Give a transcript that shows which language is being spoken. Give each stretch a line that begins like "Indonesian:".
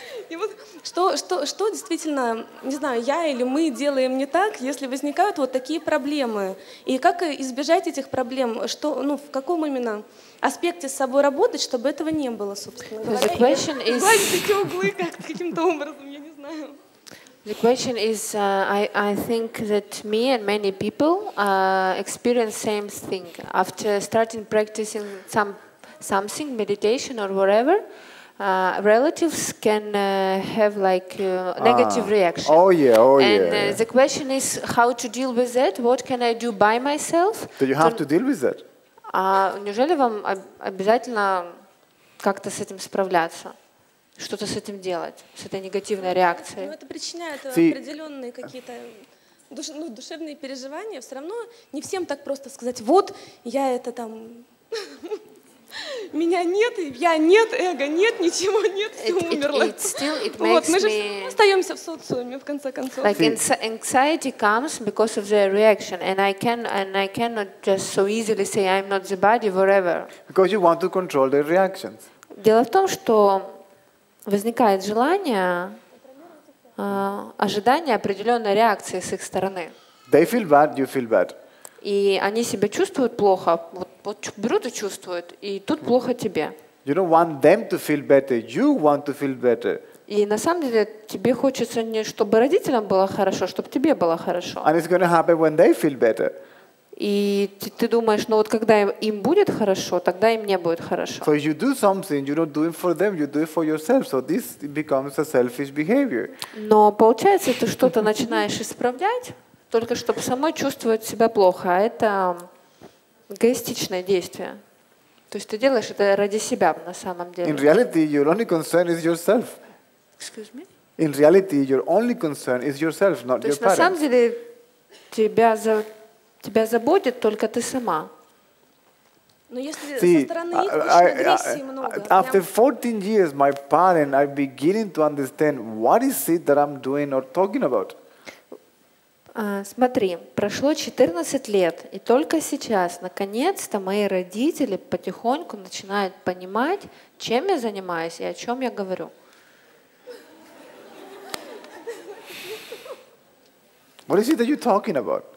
Russian: И вот что действительно, не знаю, я или мы делаем не так, если возникают вот такие проблемы? И как избежать этих проблем? Что, ну, в каком именно аспекте с собой работать, чтобы этого не было, собственно говоря? Сгладить эти углы как-то каким-то образом, я не знаю.
English: The question is, I think that me and many people experience same thing. After starting practicing something, meditation or whatever, relatives can have like negative reaction. Oh yeah, oh and, yeah. And the question is how to deal with that? What can I do by myself? Do you have to deal with that?
Russian: Неужели вам обязательно как-то с этим справляться? Что-то с этим делать? С этой негативной реакцией? Ну, это причиняет определенные какие-то... ну, душевные переживания. Все равно не всем так просто сказать, вот, я это там... Меня нет, я нет, эго нет, ничего нет, все умерло. Вот, мы же остаемся в социуме, в конце концов.
English: Like anxiety comes because of the reaction, and I cannot just so easily say I'm not the body, whatever. Because you want to control the reactions.
Russian: Дело в том, что возникает желание, ожидание определенной реакции с их стороны.
English: They feel bad, you feel bad.
Russian: И они себя чувствуют плохо, вот берут и чувствуют, и тут плохо тебе.
English: You don't want them to feel better, you want to feel better.
Russian: И на самом деле тебе хочется не чтобы родителям было хорошо, чтобы тебе было хорошо.
English: And it's going to happen when they feel better.
Russian: И ты думаешь, ну вот когда им будет хорошо, тогда и мне будет хорошо.
English: So you do something, you're not doing for them, you do it for yourself. So this becomes a selfish behavior.
Russian: Но получается, ты что-то начинаешь исправлять, только чтобы самой чувствовать себя плохо. А это эгоистичное действие. То есть ты делаешь это ради себя на самом деле.
English: In reality, your only concern is yourself. Excuse me? In reality, your only concern is yourself, not your parents.
Russian: То есть на самом деле тебя заботит только ты сама. Но если со стороны их агрессии много.
English: After 14 years, my parents are beginning to understand what is it that I'm doing or talking about.
Russian: Смотри, прошло 14 лет, и только сейчас, наконец-то, мои родители потихоньку начинают понимать, чем я занимаюсь и о чем я говорю.
English: What is it that you're talking about?